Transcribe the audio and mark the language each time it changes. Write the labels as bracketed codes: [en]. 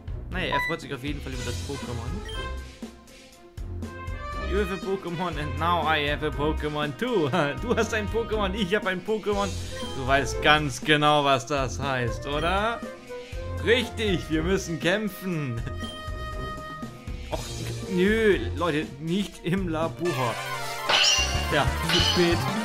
[de] Naja, er freut sich auf jeden Fall über das Pokémon. [en] You have a Pokémon and now I have a Pokémon too. [de] Du hast ein Pokémon, ich habe ein Pokémon. Du weißt ganz genau, was das heißt, oder? Richtig, wir müssen kämpfen. Och, nö, Leute, nicht im Labor. Ja, zu spät.